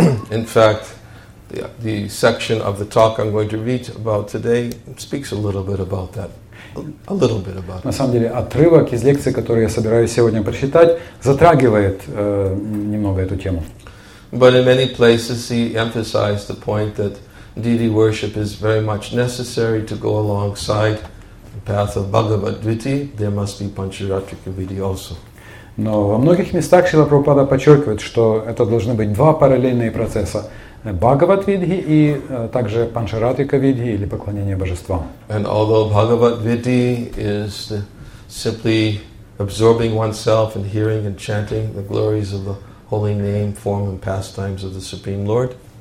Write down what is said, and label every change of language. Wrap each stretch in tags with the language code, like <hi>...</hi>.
<en>In fact, the section of the talk I'm going to read about today speaks a little bit about that. A little bit about it.</en> <ru>На самом деле, отрывок из лекции, который я собираюсь сегодня прочитать, затрагивает немного эту тему.</ru> <en>But in many places he emphasized the point that deity worship is very much necessary to go alongside the path of Bhagavad-Gita. There must be Pancharatrika-Vidhi also.</en> <ru>Но во многих местах Шрила Прабхупада подчеркивает, что это должны быть два параллельные процесса. Бхагават-видхи и также Панчаратрика-видхи или поклонение божествам.</ru> <en>And although Bhagavad-vidhi is simply absorbing oneself and hearing and chanting the glories of the holy name, form and pastimes of the Supreme Lord.</en>